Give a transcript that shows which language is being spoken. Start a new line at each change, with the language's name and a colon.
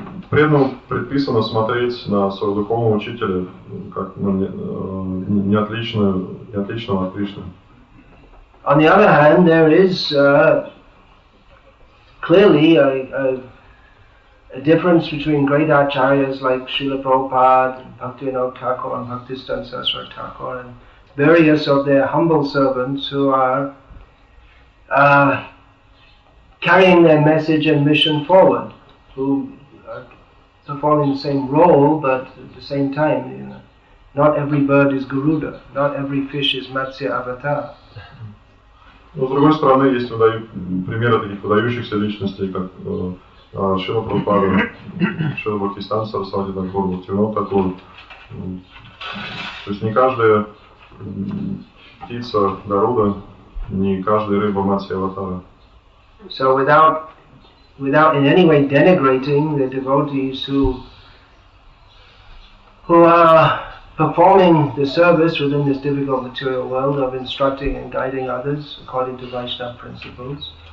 Russian: Преданному предписано смотреть на своего духовного учителя как на неотличную и от личного от Кришны.
English: On the other hand, there is clearly a difference between great acharyas like Srila Prabhupada, Bhaktivinoda Thakur, and Bhaktisiddhanta Saraswati Thakur, and various of their humble servants who are carrying their message and mission forward, who are performing the same role, but at the same time, you know, not every bird is Garuda, not every fish is Matsya Avatar.
Russian: Но с другой стороны, есть примеры таких выдающихся личностей, как Шрила Прабхупада, Шрила Бхактисиддханта Сарасвати Тхакур, Бхактивинода Тхакур. То есть не каждая птица Гаруда, не каждая рыба Матси Аватара.
English: So without in any way denigrating the devotees who are performing the service within this difficult material world of instructing and guiding others according to Vaishnava principles,